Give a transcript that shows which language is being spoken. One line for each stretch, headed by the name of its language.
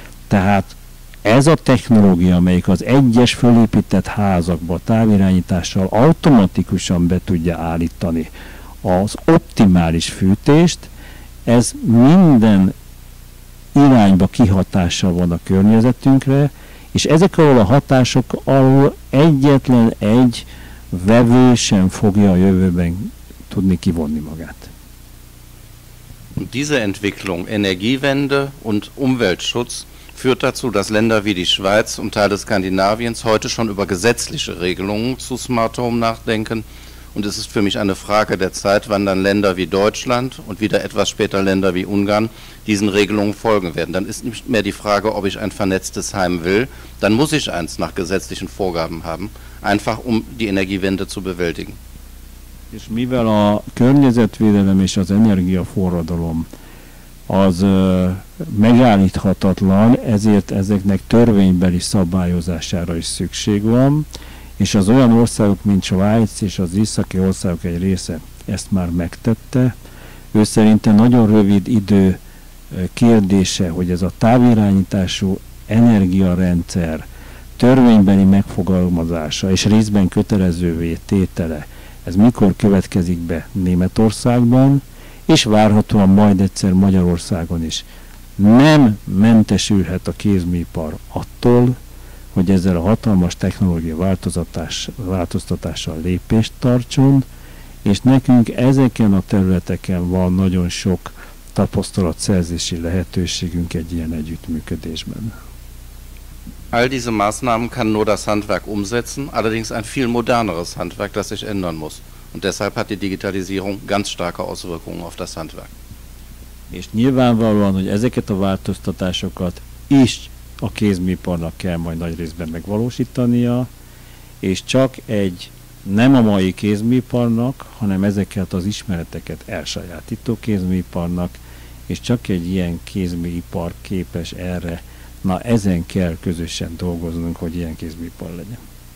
Hungarian: Tehát ez a technológia, amelyik az egyes fölépített házakba távirányítással automatikusan be tudja állítani az optimális fűtést, ez minden irányba kihatással van a környezetünkre, és ezek alól a hatások alól egyetlen egy vevő sem fogja a jövőben tudni kivonni magát.
German: Diese Entwicklung, Energiewende und Umweltschutz führt dazu, dass Länder wie die Schweiz und Teile Skandinaviens heute schon über gesetzliche Regelungen zu Smart Home nachdenken. Und es ist für mich eine Frage der Zeit, wann dann Länder wie Deutschland und wieder etwas später Länder wie Ungarn diesen Regelungen folgen werden. Dann ist nicht mehr die Frage, ob ich ein vernetztes Heim will. Dann muss ich eins nach gesetzlichen Vorgaben haben, einfach um die Energiewende zu bewältigen.
Hungarian: És mivel a környezetvédelem és az energiaforradalom az megállíthatatlan, ezért ezeknek törvénybeli szabályozására is szükség van, és az olyan országok, mint Svájc és az északi országok egy része ezt már megtette. Ő szerinte nagyon rövid idő kérdése, hogy ez a távirányítású energiarendszer törvénybeli megfogalmazása és részben kötelezővé tétele, ez mikor következik be Németországban, és várhatóan majd egyszer Magyarországon is. Nem mentesülhet a kézműipar attól, hogy ezzel a hatalmas technológia változtatással lépést tartson, és nekünk ezeken a területeken van nagyon sok tapasztalatszerzési lehetőségünk egy ilyen együttműködésben.
German: All diese Maßnahmen kann nur das Handwerk umsetzen, allerdings ein viel moderneres Handwerk, das sich ändern muss. Und deshalb hat die Digitalisierung ganz starke Auswirkungen auf das Handwerk.
Hungarian: És nyilvánvalóan, hogy ezeket a változtatásokat is a kézműiparnak kell majd nagy részben megvalósítania, és csak egy nem a mai kézműiparnak, hanem ezeket az ismereteket elsajátító kézműiparnak, és csak egy ilyen kézműipar képes erre. Na, ezen kell közösen dolgoznunk, hogy ilyen kézműipar legyen.